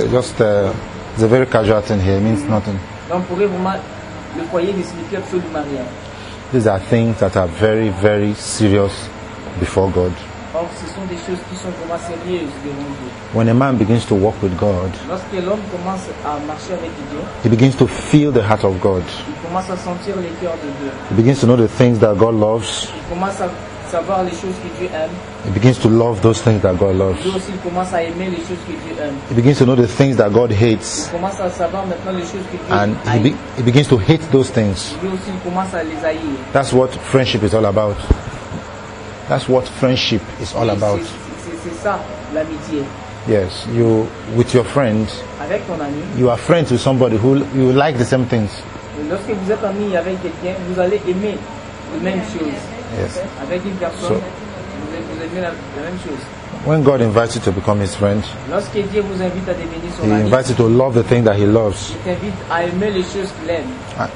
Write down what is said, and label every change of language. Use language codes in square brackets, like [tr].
[en] Just it's a very casual thing here. It means nothing. [fr] Donc pour eux, vraiment, le foyer ne signifie absolument rien. [en] These are things that are very, very serious before God. [fr] Or, ce sont des choses qui sont vraiment sérieuses devant Dieu. [en] When a man begins to walk with God, [fr] lorsque l'homme commence à marcher avec Dieu, [en] he begins to feel the heart of God. [fr] Il commence à sentir le cœur de Dieu. [en] He begins to know the things that God loves. [fr] Il commence à savoir les choses que Dieu aime. [en] He begins to love those things that God loves. [fr] Lui aussi, il commence à aimer les choses que Dieu aime. [en] He begins to know the things that God hates. [fr] Il commence à savoir maintenant les choses que Dieu [en] and [fr] aime. [en] He begins to hate those things. [fr] Lui aussi, il commence à les haïr. [en] That's what friendship is all about. That's what friendship is all about. [fr] C'est ça, l'amitié. [en] Yes, you with your friend. [fr] Avec ton ami, [en] you are friends with somebody who you like the same things. [fr] Lorsque vous êtes ami avec quelqu'un, vous allez aimer les mêmes choses. [en] Yes. [fr] Avec une personne, so, vous aimez la même chose. [en] When God invites you to become His friend, [fr] lorsque Dieu vous invite à devenir son [en] he [fr] ami, [en] He invites you to love the thing that He loves. [fr] Il t'invite à aimer les choses qu'il aime.